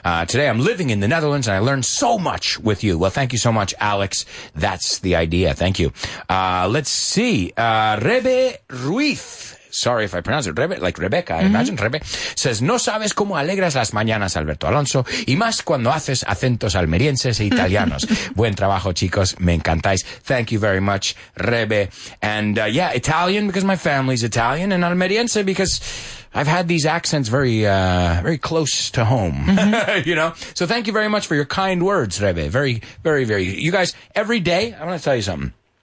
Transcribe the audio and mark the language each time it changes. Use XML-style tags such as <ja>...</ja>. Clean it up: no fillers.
<en>Today I'm living in the Netherlands and I learned so much with you. Well, thank you so much, Alex. That's the idea. Thank you. Let's see. Rebe Ruiz sorry if I pronounce it, like Rebecca, mm-hmm. imagine, Rebe, says,</en> <es>no sabes cómo alegras las mañanas, Alberto Alonso, y más cuando haces acentos almerienses e italianos. Buen trabajo, chicos, me encantáis.</es> <en>Thank you very much, Rebe. And yeah, Italian, because my family's Italian, and almeriense, because I've had these accents very, very close to home, mm-hmm. you know? So thank you very much for your kind words, Rebe. Very, very, very. You guys, every day, I want to tell you something.</en>